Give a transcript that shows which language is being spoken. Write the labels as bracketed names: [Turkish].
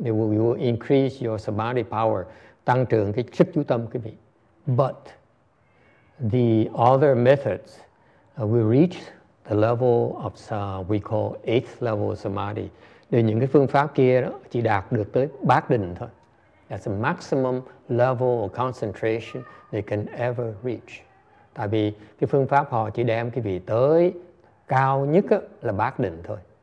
[English] You will increase your samadhi power, [Vietnamese] tăng trưởng cái sức chú tâm quý vị. [English] But the other methods will reach the level of we call eighth level samadhi. [Vietnamese] Thì những cái phương pháp kia đó chỉ đạt được tới bát định thôi. [English] That's the maximum level of concentration they can ever reach. [Vietnamese] Tại vì cái phương pháp họ chỉ đem cái vị tới cao nhất là bát định thôi.